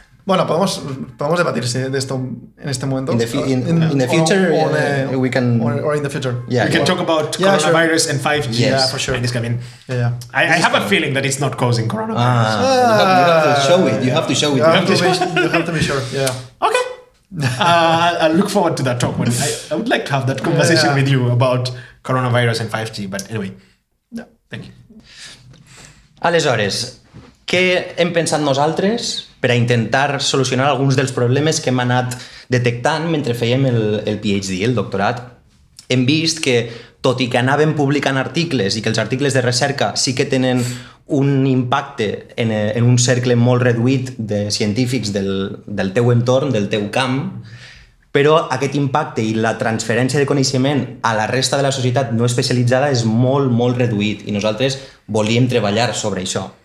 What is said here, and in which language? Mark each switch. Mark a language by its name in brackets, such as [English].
[Spanish] Bueno, podemos debatir de esto en este momento. [English] In the future, we can. Yeah, we can talk about coronavirus in 5G. Yeah, for sure. And it's coming. Yeah. I have a feeling that it's not causing coronavirus. You have to show it. You have to be sure. Yeah. Okay. I look forward to that talk. I would like to have that conversation with you about coronavirus and 5G. But anyway, thank you. [Catalan] Aleshores, què hem pensat nosaltres per a intentar solucionar alguns dels problemes que hem anat detectant mentre fèiem el PhD, el doctorat? Hem vist que, tot i que anàvem publicant articles i que els articles de recerca sí que tenen un impacte en un cercle molt reduït de científics del teu entorn, del teu camp, però aquest impacte i la transferència de coneixement a la resta de la societat no especialitzada és molt, molt reduït i nosaltres volíem treballar sobre això.